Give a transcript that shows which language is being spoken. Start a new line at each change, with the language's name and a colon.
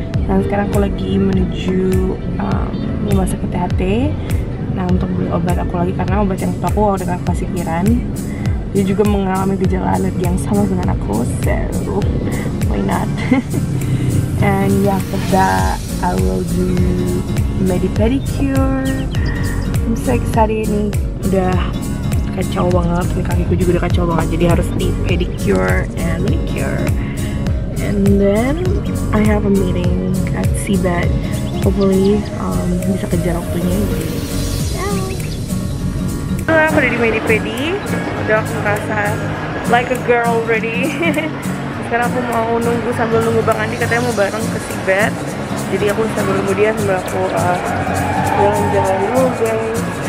Indonesian: Dan sekarang aku lagi menuju rumah sakit THT. Nah, untuk beli obat aku lagi karena obat yang aku bawa dengan kasih kiran. Dia juga mengalami gejala alergi yang sama dengan aku.
English: So, why not? And yeah, after that, I will do medi-pedicure. I'm so excited
Indonesian: nih. Udah kacau banget, ini kakiku juga udah kacau banget, jadi harus di
English: pedicure and manicure. And then I have a meeting at CBET.
Indonesian: Hopefully bisa kejar waktunya. Jadi, yeah. Halo, aku udah di medi-pedi. Udah aku ngerasa
English: like a girl already.
Indonesian: Sekarang aku mau nunggu sambil nunggu Bang Andi, katanya mau bareng ke CBET. Jadi aku sambil nunggu dia sambil aku jalan-jalan dulu, guys.